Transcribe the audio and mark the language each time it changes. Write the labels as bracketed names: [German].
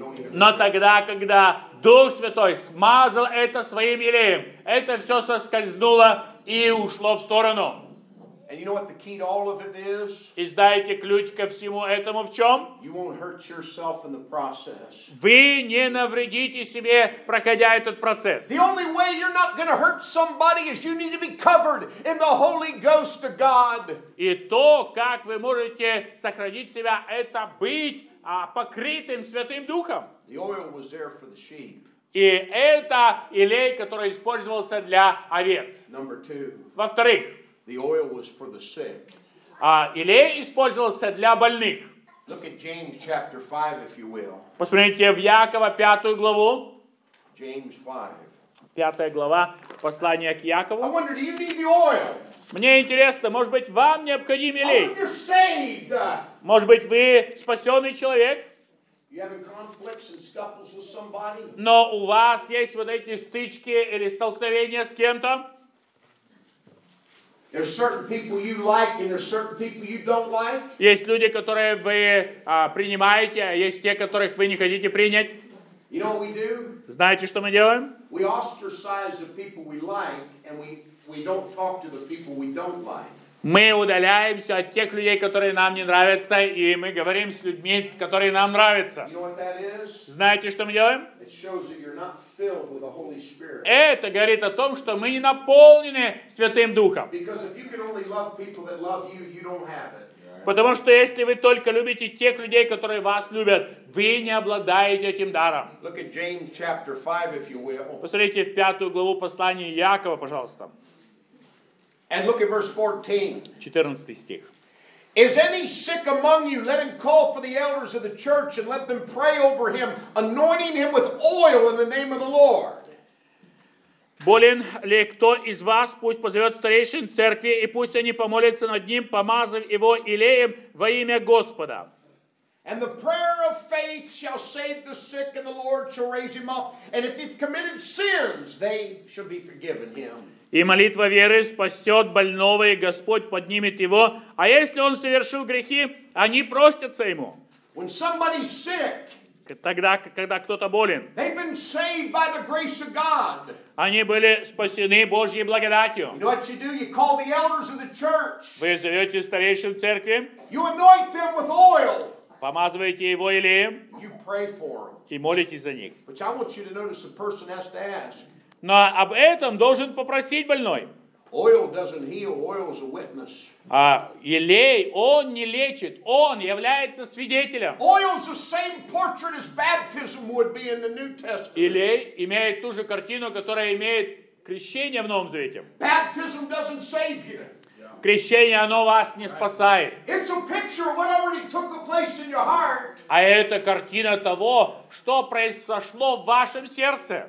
[Russian] Но тогда, когда Дух Святой смазал это своим елеем, это все соскользнуло и ушло в сторону. [English] And you know what the key to all of it is? [Russian] И знаете ключ ко всему этому в чем? [English] You won't hurt yourself in the process. [Russian] Вы не навредите себе, проходя этот процесс. [English] The only way you're not going to hurt somebody is you need to be covered in the Holy Ghost of God. [Russian] И то, как вы можете сохранить себя, это быть покрытым Святым Духом. [English] The oil was there for the sheep. [Russian] И это елей, который использовался для овец. [English] Number two. [Russian] Во-вторых. [English] The oil was for the sick. [Russian] Елей использовался для больных. [English] Look at James chapter 5, if you will. [Russian] Посмотрите в Якова 5 главу. [English] James 5. [Russian] 5 глава послания к Якову. [English] I wonder, do you need the oil? [Russian] Мне интересно, может быть, вам необходим елей? [English] I wonder, you're saved. [Russian] Может быть, вы спасенный человек? [English] You having conflicts and scuffles with somebody? [Russian] Но у вас есть вот эти стычки или столкновения с кем-то? [English] There's certain people you like and there's certain people you don't like. [Russian] Есть люди, которые вы принимаете, а есть те, которых вы не хотите принять. [English] You know what we do? [Russian] Знаете, что мы делаем? [English] We ostracize the people we like and we don't talk to the people we don't like. [Russian] Мы удаляемся от тех людей, которые нам не нравятся, и мы говорим с людьми, которые нам нравятся. [English] You know what that is? [Russian] Знаете, что мы делаем? [English] It shows that you're not filled with the Holy Spirit. [Russian] Это говорит о том, что мы не наполнены Святым Духом. [English] Because if you can only love people that love you, you don't have it. [Russian] Потому что если вы только любите тех людей, которые вас любят, вы не обладаете этим даром. [English] Look at James chapter 5, if you will. [Russian] Посмотрите в пятую главу послания Якова, пожалуйста. [English] And look at verse 14. [Russian] 14 стих. [English] Is any sick among you? Let him call for the elders of the church and let them pray over him, anointing him with oil in the name of the Lord. [Russian] Болен ли кто из вас, пусть позовет старейшин церкви, и пусть они помолятся над ним, помазав его елеем во имя Господа. [English] And the prayer of faith shall save the sick, and the Lord shall raise him up. And if he's committed sins, they shall be forgiven him. [Russian] И молитва веры спасет больного, и Господь поднимет его. А если он совершил грехи, они простятся ему. [English] When somebody sick, [Russian] тогда, когда кто-то болен, [English] they've been saved by the grace of God. [Russian] Они были спасены Божьей благодатью. [English] You know what you do? You call the elders of the church. [Russian] Вы зовете старейшин церкви. [English] You anoint them with oil. [Russian] Помазываете его елеем. [English] You pray for them. [Russian] И молитесь за них. [English] But I want you to notice the person has to ask. [Russian] Но об этом должен попросить больной. [English] Oil doesn't heal, oil is a witness. [Russian] Елей, он не лечит, он является свидетелем. [English] Oil is the same portrait as baptism would be in the New Testament. [Russian] Елей имеет ту же картину, которая имеет крещение в Новом Завете. [English] Baptism doesn't save you. [Russian] Крещение, оно вас не спасает. [English] It's a picture of what already took a place in your heart. [Russian] А это картина того, что произошло в вашем сердце.